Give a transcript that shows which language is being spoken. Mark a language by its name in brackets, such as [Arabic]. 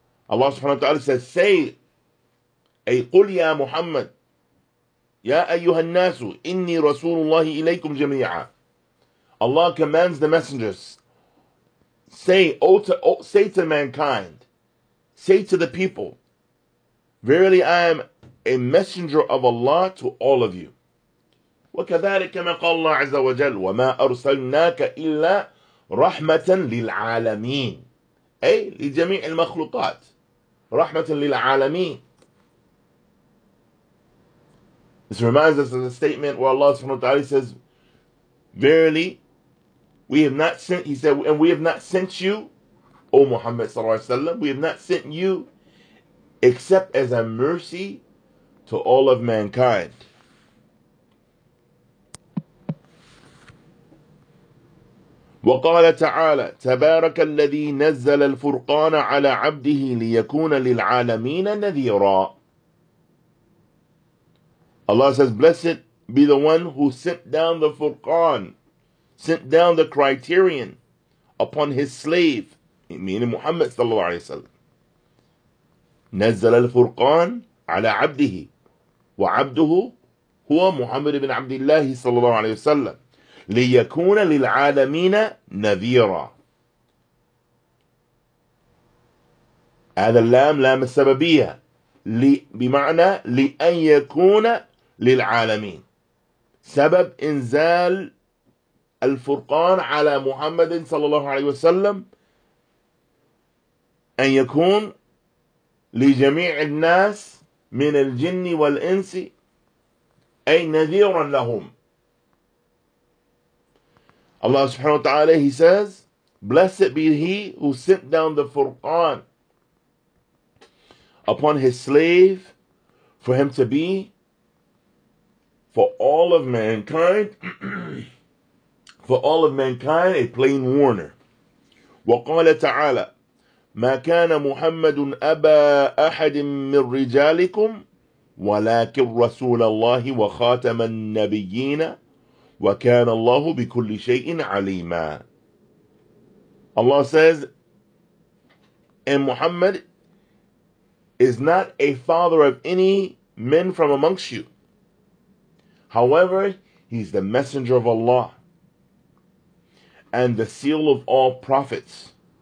[English] Allah subhanahu wa ta'ala says, say, [Arabic] أي قُلْ يَا مُحَمَّدْ يَا أَيُّهَا النَّاسُ إِنِّي رَسُولُ اللَّهِ إِلَيْكُمْ جَمِيعًا. [English] Allah commands the messengers, say to mankind, say to the people, verily I am a messenger of Allah to all of you. [Arabic] وَكَذَلِكَ مَا قَالَ اللَّهُ عَزَّ وَجَلُ وَمَا أَرْسَلْنَاكَ إِلَّا رَحْمَةً لِلْعَالَمِينَ. أي لجميع المخلوقات. رحمة للعالمين. [English] This reminds us of the statement where Allah subhanahu wa ta'ala says, verily, we have not sent, he said, and we have not sent you O Muhammad sallallahu alayhi wa sallam, we have not sent you except as a mercy to all of mankind. [Arabic] وقال تعالى تبارك الذي نزل الفرقان على عبده ليكون للعالمين نذيرا. [English] Allah says, blessed be the one who sent down the Furqan, sent down the criterion upon his slave, meaning Muhammad sallallahu alayhi wa sallam. [Arabic] نزل الفرقان على عبده وعبده هو محمد بن عبد الله صلى الله عليه وسلم ليكون للعالمين نذيرا. هذا اللام لام السببية بمعنى لأن يكون للعالمين. سبب إنزال الفرقان على محمد صلى الله عليه وسلم أن يكون لجميع الناس من الجن والإنس أي نذيرا لهم. [English] Allah subhanahu wa ta'ala, He says, blessed be He who sent down the Furqan upon His slave for Him to be for all of mankind, for all of mankind, a plain warner. [Arabic] وقال تعالى ما كان محمد أبا أحد من رجالكم ولكن رسول الله وخاتم النبيين وَكَانَ اللَّهُ بِكُلِّ شَيْءٍ عَلِيمًا. [English] Allah says, and Muhammad is not a father of any men from amongst you. However, he's the messenger of Allah and the seal of all prophets.